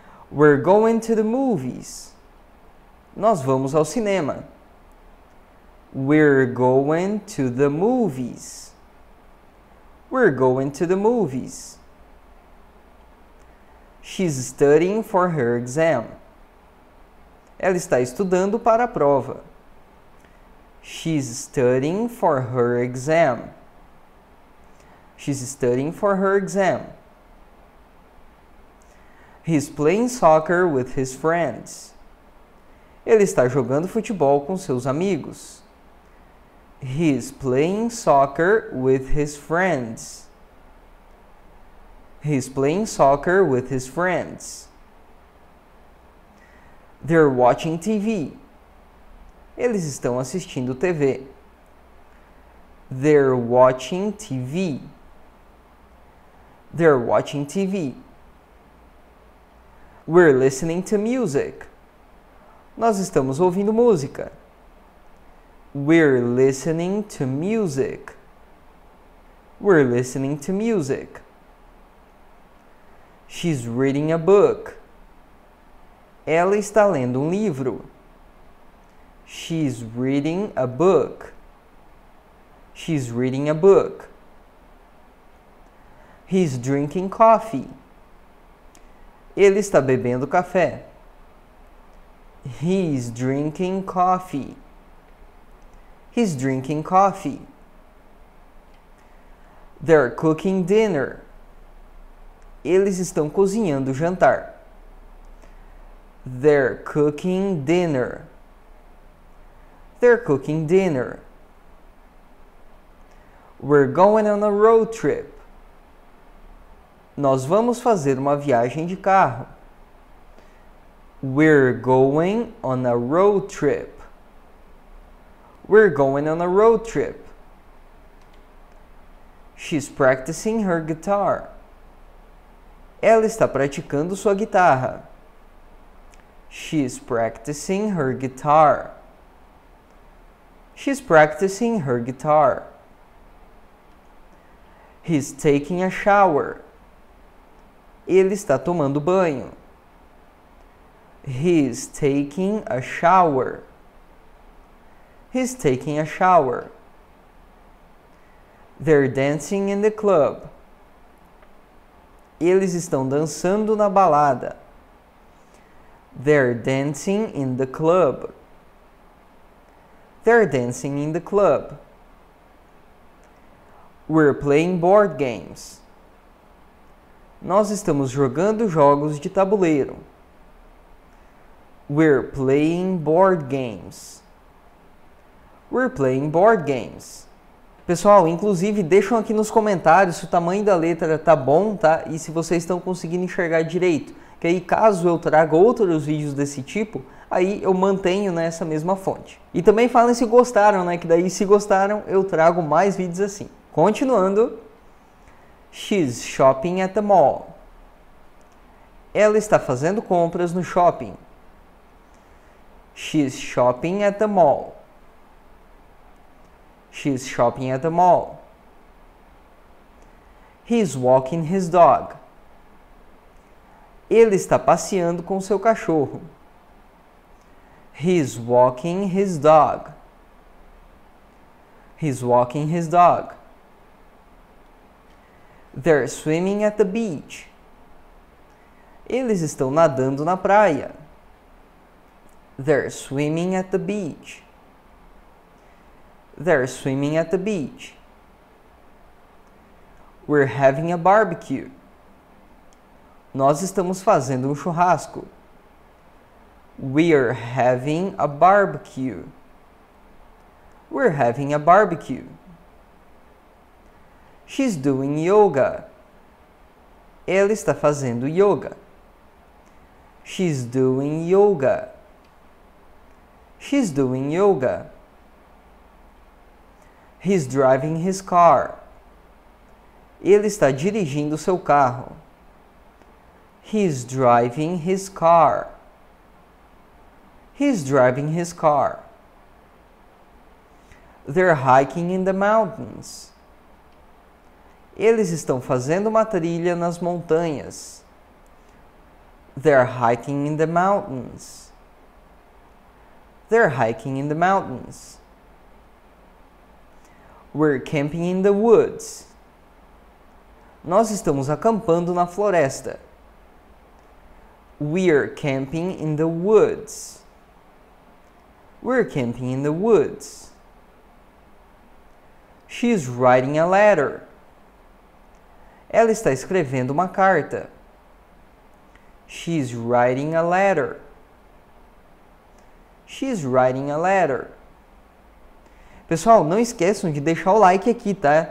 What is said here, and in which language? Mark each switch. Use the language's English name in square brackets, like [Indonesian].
[English] We're going to the movies. [Portuguese] Nós vamos ao cinema. [English] We're going to the movies. We're going to the movies. She's studying for her exam. [Portuguese] Ela está estudando para a prova. [English] She's studying for her exam. She's studying for her exam. He's playing soccer with his friends. [Portuguese] Ele está jogando futebol com seus amigos. [English] He's playing soccer with his friends. He's playing soccer with his friends. They're watching TV. [Portuguese] Eles estão assistindo TV. [English] They're watching TV. They're watching TV. We're listening to music. [Portuguese] Nós estamos ouvindo música. [English] We're listening to music. We're listening to music. She's reading a book. [Portuguese] Ela está lendo um livro. [English] She's reading a book. She's reading a book. He's drinking coffee. [Portuguese] Ele está bebendo café. [English] He's drinking coffee. He's drinking coffee. They're cooking dinner. [Portuguese] Eles estão cozinhando o jantar. [English] They're cooking dinner. They're cooking dinner. We're going on a road trip. [Portuguese] Nós vamos fazer uma viagem de carro. [English] We're going on a road trip. We're going on a road trip. She's practicing her guitar. [Portuguese] Ela está praticando sua guitarra. [English] She's practicing her guitar. She's practicing her guitar. He's taking a shower. [Portuguese] Ele está tomando banho. [English] He's taking a shower. He's taking a shower. They're dancing in the club. [Portuguese] Eles estão dançando na balada. [English] They're dancing in the club. They're dancing in the club. We're playing board games. [Portuguese] Nós estamos jogando jogos de tabuleiro. [English] We're playing board games. We're playing board games. [Portuguese] Pessoal, inclusive, deixam aqui nos comentários se o tamanho da letra tá bom, tá? E se vocês estão conseguindo enxergar direito. E aí, caso eu traga outros vídeos desse tipo, aí eu mantenho nessa mesma fonte. E também falem se gostaram, né? Que daí, se gostaram, eu trago mais vídeos assim. Continuando. [English] She's shopping at the mall. [Portuguese] Ela está fazendo compras no shopping. [English] She's shopping at the mall. She's shopping at the mall. He's walking his dog. [Portuguese] Ele está passeando com seu cachorro. [English] He's walking his dog. He's walking his dog. They're swimming at the beach. [Portuguese] Eles estão nadando na praia. [English] They're swimming at the beach. They're swimming at the beach. We're having a barbecue. [Portuguese] Nós estamos fazendo um churrasco. [English] We're having a barbecue. We're having a barbecue. She's doing yoga. [Portuguese] Ela está fazendo yoga. [English] She's doing yoga. She's doing yoga. He's driving his car. [Portuguese] Ele está dirigindo seu carro. [English] He's driving his car. He's driving his car. They're hiking in the mountains. [Portuguese] Eles estão fazendo uma trilha nas montanhas. [English] They're hiking in the mountains. They're hiking in the mountains. We're camping in the woods. [Portuguese] Nós estamos acampando na floresta. [English] We're camping in the woods. We're camping in the woods. She's writing a letter. [Portuguese] Ela está escrevendo uma carta. [English] She's writing a letter. She's writing a letter. [Portuguese] Pessoal, não esqueçam de deixar o like aqui, tá?